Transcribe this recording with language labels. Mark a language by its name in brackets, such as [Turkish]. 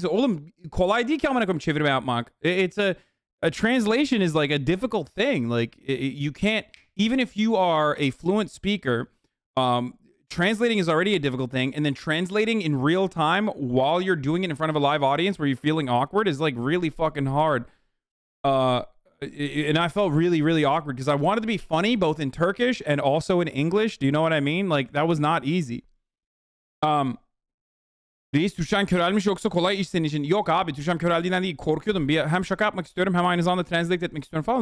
[Turkish] So, olum, kolay değil ki amına koyayım çevirmek mak. [English] It's a translation is like a difficult thing. Like, you can't, even if you are a fluent speaker, translating is already a difficult thing. And then translating in real time while you're doing it in front of a live audience where you're feeling awkward is like really fucking hard. And I felt really, really awkward because I wanted to be funny both in Turkish and also in English. Do you know what I mean? Like, that was not easy. [Turkish] Reis, Tuşan körelmiş yoksa kolay iş senin için. Yok abi, Tuşan köreldiğinden değil. Korkuyordum. Bir, hem şaka yapmak istiyorum, hem aynı zamanda translate etmek istiyorum falan.